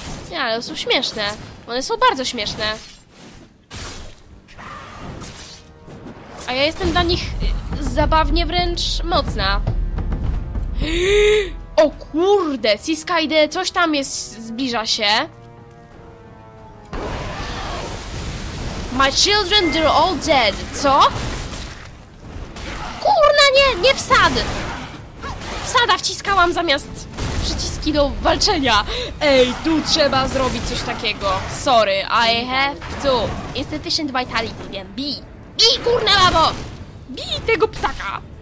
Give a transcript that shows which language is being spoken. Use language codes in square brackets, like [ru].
[pl] Nie, ale są śmieszne. One są bardzo śmieszne. A ja jestem dla nich zabawnie wręcz mocna. O kurde, Siskaide, coś tam jest, zbliża się. [en] My children, they're all dead. [pl] Co? Kurna, nie wsad! Wsada wciskałam zamiast przyciski do walczenia. Ej, tu trzeba zrobić coś takiego. [en] Sorry, I have to. Insufficient vitality, [pl] wiem, bij. Bij, kurna babo! Bij tego ptaka!